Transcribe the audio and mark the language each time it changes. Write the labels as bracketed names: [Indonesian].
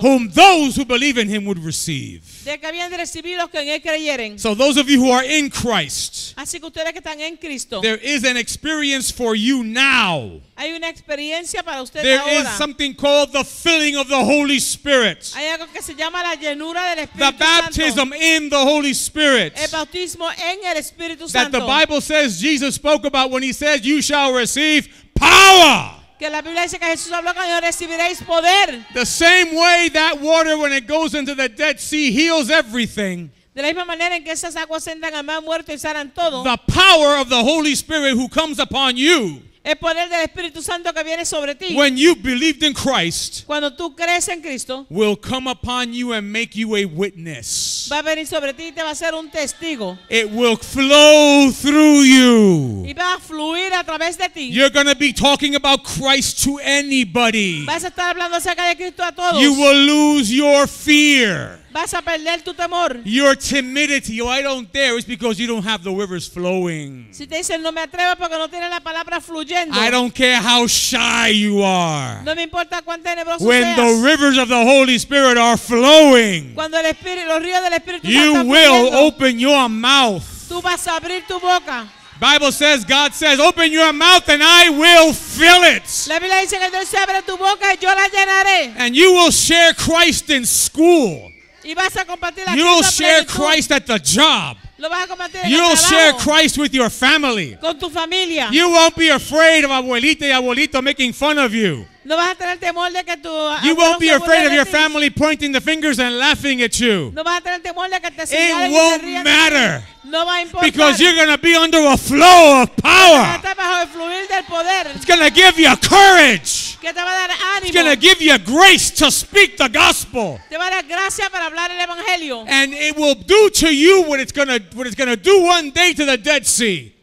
[English] Whom those who believe in him would receive. [Spanish] De que habían de recibir los que en él creyeren. [English] So those of you who are in Christ. [Spanish] Así que ustedes que están en Cristo. [English] There is an experience for you now. [Spanish] Hay una experiencia para ustedes [English] there [Spanish] ahora. [English] Is something called the filling of the Holy Spirit. [Spanish] Hay algo que se llama la llenura del Espíritu [English] the baptism [Spanish] Santo. [English] In the Holy Spirit. [Spanish] El bautismo en el Espíritu Santo. [English] That the Bible says Jesus spoke about when he says you shall receive power. [Spanish] Que la Biblia dice que Jesús habló cuando recibiréis poder. [English] The same way that water when it goes into the Dead Sea heals everything. [Spanish] De la misma manera en que esas aguas entran al mar muerto y sanan todo. [English] The power of the Holy Spirit who comes upon you. [Spanish] El poder del Espíritu Santo que viene sobre ti. [English] When you believed in Christ. [Spanish] Cuando tú crees en Cristo. [English] Will come upon you and make you a witness. [Spanish] Va a venir sobre ti y te va a ser un testigo. [English] It will flow through you. [Spanish] Y va a fluir a través de ti. [English] You're going to be talking about Christ to anybody. [Spanish] Vas a estar hablando acerca de Cristo a todos. [English] You will lose your fear. [Spanish] Vas a perder tu temor. [English] Your timidity, oh, I don't dare, is because you don't have the rivers flowing. [Spanish] Si te dicen no me atrevo porque no tienes la palabra fluyendo. [English] I don't care how shy you are. [Spanish] No me importa cuán tenebroso seas. [English] When the rivers of the Holy Spirit are flowing. [Spanish] Cuando el Espíritu, los ríos del Espíritu [English] you [Spanish] están [English] will [Spanish] fluyendo, [English] open your mouth. [Spanish] Tú vas a abrir tu boca. [English] Bible says, God says, open your mouth and I will fill it. [Spanish] La Biblia dice que Dios abre tu boca y yo la llenaré. [English] And you will share Christ in school. You'll share Christ at the job. You'll share Christ with your family. [Spanish] Con tu familia. [English] You won't be afraid of [Spanish] abuelita y abuelito [English] making fun of you. [Spanish] No vas a tener temor de que tu [English] you won't be afraid of your family pointing the fingers and laughing at you. [Spanish] No vas a tener temor de que te [English] it won't matter. [Spanish] No va a importar. [English] Because you're going to be under a flow of power. [Spanish] Va a estar bajo el fluir del poder. [English] It's going to give you courage. [Spanish] Que te va a dar ánimo. [English] It's going to give you grace to speak the gospel. [Spanish] Te va a dar gracia para hablar el evangelio. [English] And it will do to you what it's going to do one day to the Dead Sea.